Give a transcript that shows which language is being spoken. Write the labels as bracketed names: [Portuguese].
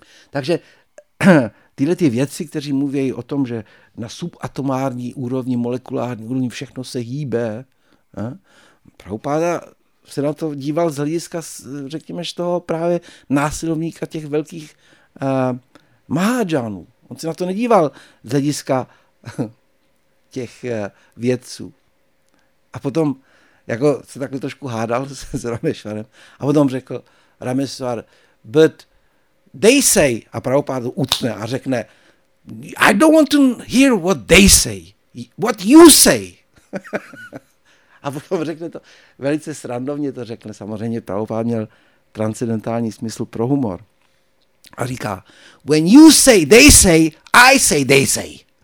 [Czech] Takže tyhle ty věci, kteří mluví o tom, že na subatomární úrovni, molekulární úrovni všechno se hýbe, Prabhupáda se na to díval z hlediska, řekněme, z toho právě následovníka těch velkých Mahajanů. On se na to nedíval z hlediska těch vědců. A potom jako se takhle trošku hádal s Rameshwarem. A potom řekl Rameshwar, [English] but they say, [Czech] a Prabhupáda utne a řekne, [English] I don't want to hear what they say, what you say. [Czech] A potom řekne to, velice srandovně to řekne, samozřejmě Prabhupáda měl transcendentální smysl pro humor. A říká, [English] when you say, they say.